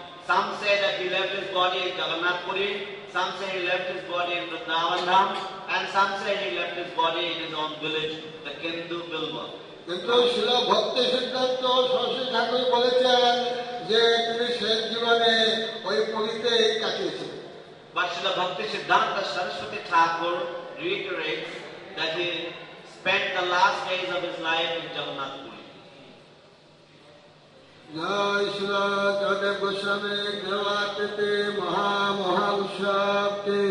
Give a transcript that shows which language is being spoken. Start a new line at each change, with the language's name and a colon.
English: Some say that he left his body in Jagannath Puri, some say he left his body in Vrindavan Dham, and some say he left his body in his own village, the Kendu Bilwa.
Bangla: কিন্তু শিল ভক্তি সিদ্ধান্ত সরস্বতী ঠাকুর বলেছেন যে তিনি শেষ জীবনে ওই পুরীতে কাটিয়েছেন।
English: But Srila Bhakti Siddhanta Saraswati Thakur reiterates that he spent the last days of his life in Jagannath Puri. Jai Srila Jagannath Goswami Devatete Maha Maha Ushab Ke